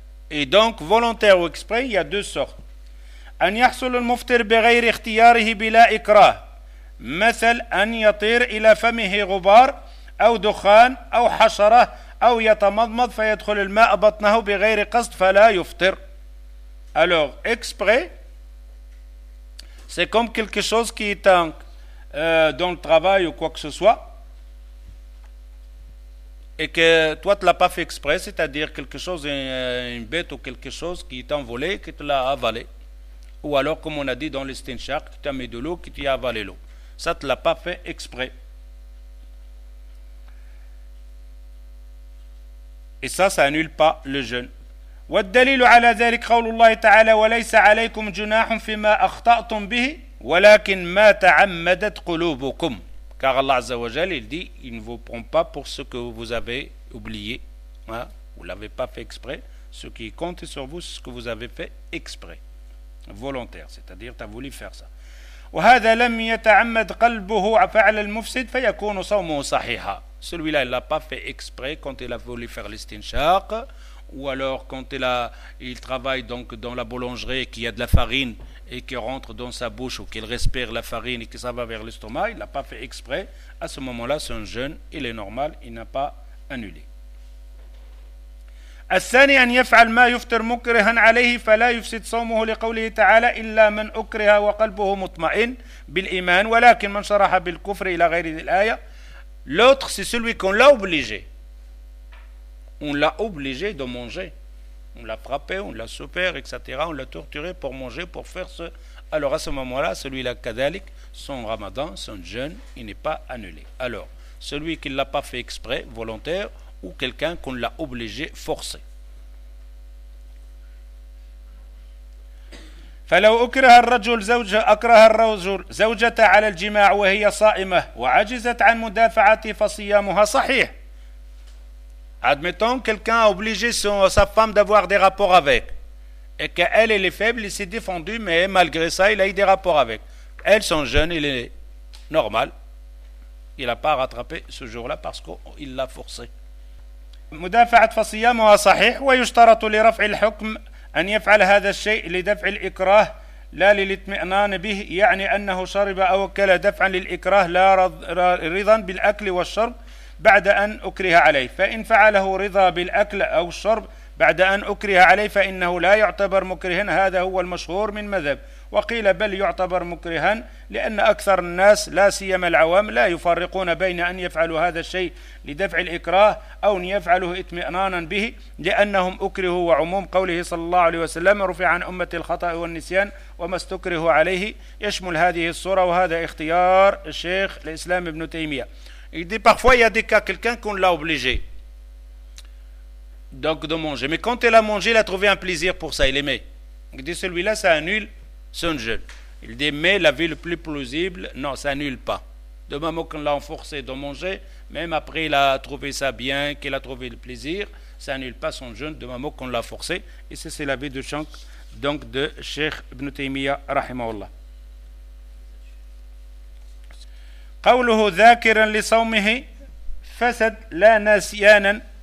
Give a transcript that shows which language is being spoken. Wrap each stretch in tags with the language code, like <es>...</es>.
<fr>Et donc, volontaire ou exprès, il y a deux sortes.</fr> <ar>أن يحصل المفطر بغير اختياره بلا إكراه. مثل أن يطير إلى فمه غبار أو دخان أو حشرة أو يتمضمض فيدخل الماء بطنه بغير قصد فلا يفطر.</ar> <fr>Alors, exprès, c'est comme quelque chose qui est dans le travail ou quoi que ce soit. Et que toi, tu ne l'as pas fait exprès, c'est-à-dire quelque chose, une bête ou quelque chose qui t'a envolé, que tu l'as avalé. Ou alors, comme on a dit dans l'istinchar, que tu as mis de l'eau, que tu as avalé l'eau. Ça, tu ne l'as pas fait exprès. Et ça n'annule pas le jeûne.</fr> <ar>والدليل على ذلك قول الله تعالى وليس عليكم جناح فيما أخطأتم به ولكن ما تعمدت قلوبكم.</ar> <fr>Car Allah Azza wa Jal, il dit, il ne vous prend pas pour ce que vous avez oublié, hein? Vous ne l'avez pas fait exprès. Ce qui compte sur vous, c'est ce que vous avez fait exprès, volontaire, c'est-à-dire tu as voulu faire ça.</fr> <ar>وهذا لم يتعمد قلبه فعل المفسد فيكون صومه صحيحا.</ar> <fr>Celui-là, il l'a pas fait exprès quand il a voulu faire l'istinchaq, ou alors quand il travaille donc dans la boulangerie qui a de la farine et qui rentre dans sa bouche ou qu'il respire la farine et que ça va vers l'estomac, il l'a pas fait exprès. À ce moment-là, son jeûne, il est normal, il n'a pas annulé.</fr> <ar>الثاني أن يفعل ما يفطر مكرها عليه فلا يفسد صومه لقوله تعالى إلا من أكره وقلبه مطمئن بالإيمان ولكن من شرح بالكفر إلى غير الآية.</ar> <fr>L'autre c'est celui qu'on l'a obligé. On l'a obligé de manger. On l'a frappé, on l'a souper, etc. On l'a torturé pour manger, pour faire ce. Alors à ce moment-là, celui-là</fr> <ar>كذلك,</ar> <fr>son ramadan, son jeûne, il n'est pas annulé. Alors celui qui ne l'a pas fait exprès, volontaire, ou quelqu'un qu'on l'a obligé, forcé.</fr> <ar>فلو أكره الرجل زوجة أكره الرجل زوجته على الجماع وهي صائمة وعجزت عن مدافعته فصيامها صحيح.</ar> <fr>Admettons quelqu'un a obligé sa femme d'avoir des rapports avec et qu'elle est faible, il s'est défendu, mais malgré ça il a eu des rapports avec elle, son jeûne il est normal, il n'a pas rattrapé ce jour-là parce qu'il l'a forcé.</fr> <ar>مدافعة فصيامها صحيح ويشترط لرفع الحكم أن يفعل هذا الشيء لدفع الإكراه لا للاطمئنان به يعني أنه شرب أو أكل دفعا للإكراه لا رضا بالأكل والشرب بعد أن أكره عليه فإن فعله رضا بالأكل أو الشرب بعد أن أكره عليه فإنه لا يعتبر مكرها هذا هو المشهور من مذهب وقيل بل يعتبر مكرها لأن أكثر الناس لا سيما العوام لا يفرقون بين أن يفعلوا هذا الشيء لدفع الإكراه أو أن يفعله إطمئنانا به لأنهم أكرهوا وعموم قوله صلى الله عليه وسلم رفع عن أمة الخطأ والنسيان وما استكره عليه يشمل هذه الصورة وهذا اختيار الشيخ الإسلام ابن تيمية.</ar> <fr>Il dit parfois il y a des cas quelqu'un qu'on l'a obligé donc de manger, mais quand il a mangé il a trouvé un plaisir pour ça, il aimait. Il dit celui-là ça annule son jeûne. Il dit mais la vie le plus plausible, non, ça annule pas. De même qu'on l'a forcé de manger, même après il a trouvé ça bien, qu'il a trouvé le plaisir, ça annule pas son jeûne de même qu'on l'a forcé. Et ça c'est la vie de Shank, donc de Cheikh Ibn Taymiyyah rahimahullah.</fr> <ar>قوله ذاكرا لصومه فسد لا نسيانا.</ar>